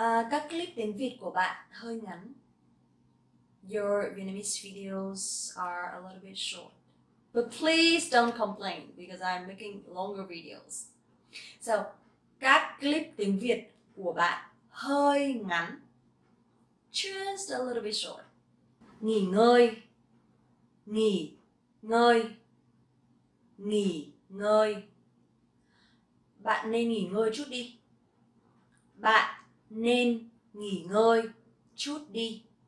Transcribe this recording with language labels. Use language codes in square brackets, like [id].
[vi] Các clip tiếng Việt của bạn hơi ngắn. [en] Your Vietnamese videos are a little bit short. But please don't complain because I'm making longer videos. [vi] So, các clip tiếng Việt của bạn hơi ngắn. [en] Just a little bit short. [vi] Nghỉ ngơi. Nghỉ ngơi. Nghỉ ngơi. Bạn nên nghỉ ngơi chút đi. Bạn nên nghỉ ngơi chút đi.